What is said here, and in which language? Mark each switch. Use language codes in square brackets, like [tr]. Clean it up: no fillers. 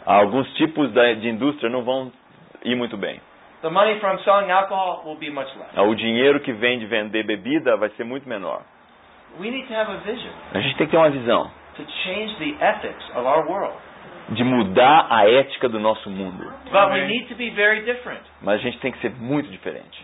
[pt] Alguns tipos de indústria não vão ir muito bem. [en] The money from selling alcohol will be much less. [pt] O dinheiro que vem de vender bebida vai ser muito menor. [en] We need to have a vision. [pt] A gente tem que ter uma visão. [en] To change the ethics of our world. [pt] De mudar a ética do nosso mundo. [en] But we need to be very different. [pt] Mas a gente tem que ser muito diferente.